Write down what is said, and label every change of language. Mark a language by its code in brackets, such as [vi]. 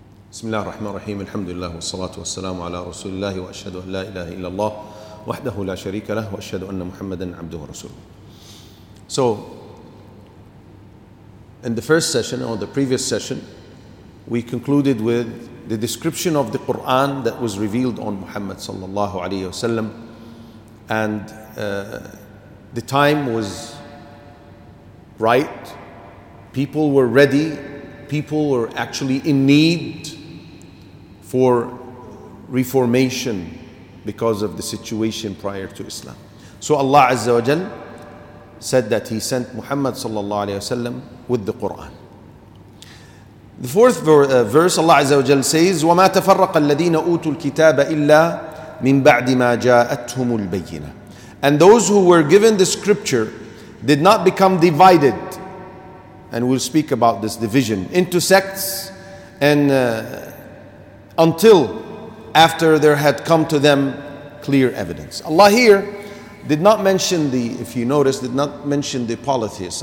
[ar] بسم الله الرحمن الرحيم الحمد لله والصلاة والسلام على رسول الله وأشهد أن لا إله إلا الله وحده لا شريك له وأشهد أن محمدا عبده ورسوله. [en] So in the first session or the previous session, we concluded with the description of the Quran that was revealed on Muhammad sallallahu alayhi wasallam, and the time was right, people were ready, people were actually in need for reformation because of the situation prior to Islam. So Allah Azza wa Jal said that He sent Muhammad sallallahu alayhi wasallam with the Quran. The fourth verse, Allah Azza wa Jal says, [ar] وَمَا تَفَرَّقَ الَّذِينَ أُوتُوا الْكِتَابَ إِلَّا مِنْ بَعْدِ مَا جَاءَتْهُمُ الْبَيِّنَةِ. [en] And those who were given the scripture did not become divided, and we'll speak about this division, into sects and until after there had come to them clear evidence. Allah here did not mention the, if you notice, did not mention the polytheists.